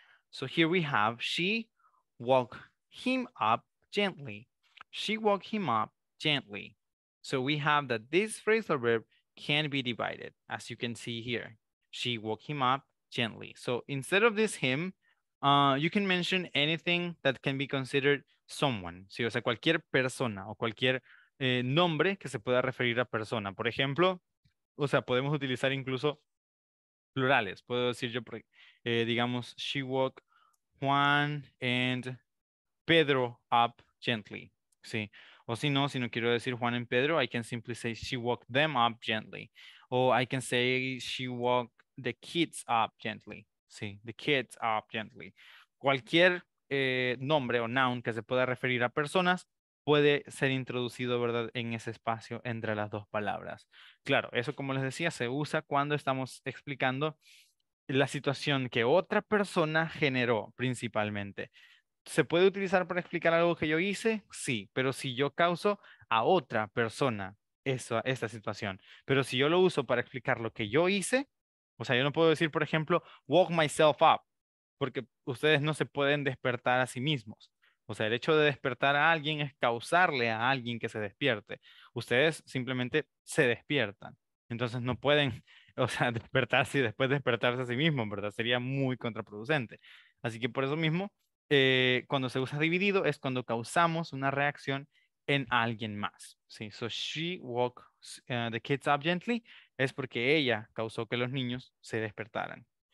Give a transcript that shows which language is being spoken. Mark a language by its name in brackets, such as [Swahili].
[English] So here we have, she woke him up gently. She woke him up gently. So we have that this phrasal verb can be divided, as you can see here. She woke him up gently. So instead of this him, you can mention anything that can be considered someone. [Spanish] Sí, o sea, cualquier persona o cualquier nombre que se pueda referir a persona. Por ejemplo, o sea, podemos utilizar incluso plurales. Puedo decir yo, digamos, [English] she woke Juan and Pedro up gently. Sí. [Spanish] O si no, si no quiero decir [English] Juan and Pedro, I can simply say she woke them up gently. O I can say she woke the kids up gently. Sí, the kids up gently. [Spanish] Cualquier nombre o noun que se pueda referir a personas puede ser introducido, ¿verdad?, en ese espacio entre las dos palabras. Claro, eso, como les decía, se usa cuando estamos explicando la situación que otra persona generó principalmente. ¿Se puede utilizar para explicar algo que yo hice? Sí, pero si yo causo a otra persona esta situación. Pero si yo lo uso para explicar lo que yo hice, o sea, yo no puedo decir, por ejemplo, [English] woke myself up, [Spanish] porque ustedes no se pueden despertar a sí mismos. O sea, el hecho de despertar a alguien es causarle a alguien que se despierte. Ustedes simplemente se despiertan. Entonces no pueden, o sea, despertarse y después despertarse a sí mismos, ¿verdad? Sería muy contraproducente. Así que por eso mismo, cuando se usa dividido es cuando causamos una reacción en alguien más. [English] Sí, so she woke the kids up gently. [Spanish] Es porque ella causó que los niños se despertaran.